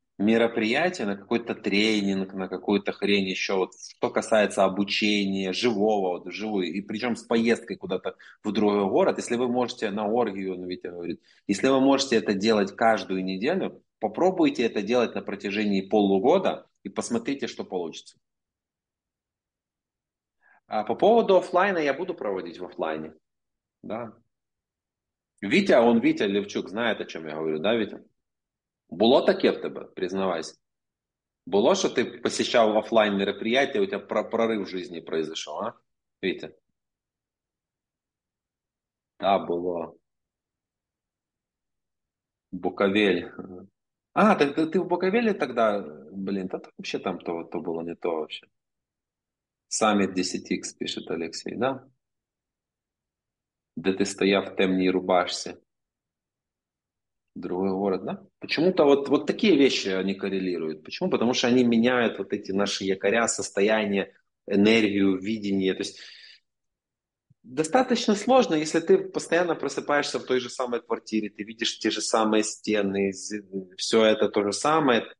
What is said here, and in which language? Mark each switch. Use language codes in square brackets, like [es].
[ru] мероприятие, на какой-то тренинг, на какую-то хрень еще, вот, что касается обучения живого, вот, живую, и причем с поездкой куда-то в другой город, если вы можете на оргию, он Витя говорит, если вы можете это делать каждую неделю, попробуйте это делать на протяжении полугода и посмотрите, что получится. А по поводу офлайна я буду проводить в офлайне. Да. Витя Левчук, знает, о чем я говорю, да, Витя? [uk] Було таке в тебе, признавайся. Було, що ти [ru] посещав офлайн мероприятия, у тебя [uk] прорив в житті [ru] произошел, [uk] а? Витя? Да, було. Буковель. А, так ти в Буковелі тоді, блін, та взагалі там то було [ru] не то вообще. [uk] Саміт 10X, пише Олексій, да? Де ти стояв в темній рубашці? Другий город, да? [ru] Почему-то вот [uk] такі [ru] вещи они коррелируют. Почему? Потому что они меняют вот эти наши якоря, состояние, энергию, видение. То есть достаточно сложно, если ты постоянно просыпаешься в той же самой квартире, ты видишь те же самые стены, все это то же самое.